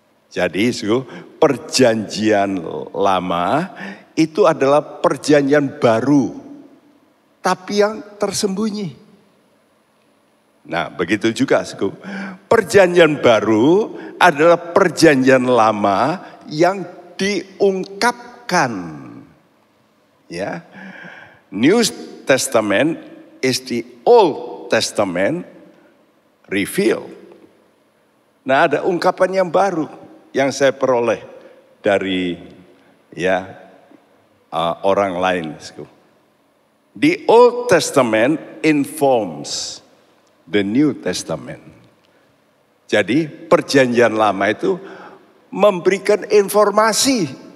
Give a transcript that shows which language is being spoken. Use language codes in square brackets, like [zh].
[id] Jadi perjanjian lama itu adalah perjanjian baru tapi yang tersembunyi. Nah begitu juga perjanjian baru adalah perjanjian lama yang diungkapkan. [en] Ya, New Testament is the Old Testament revealed. [id] Nah ada ungkapan yang baru yang saya peroleh dari ya orang lain. [en] The Old Testament informs the New Testament. [id] Jadi perjanjian lama itu memberikan informasi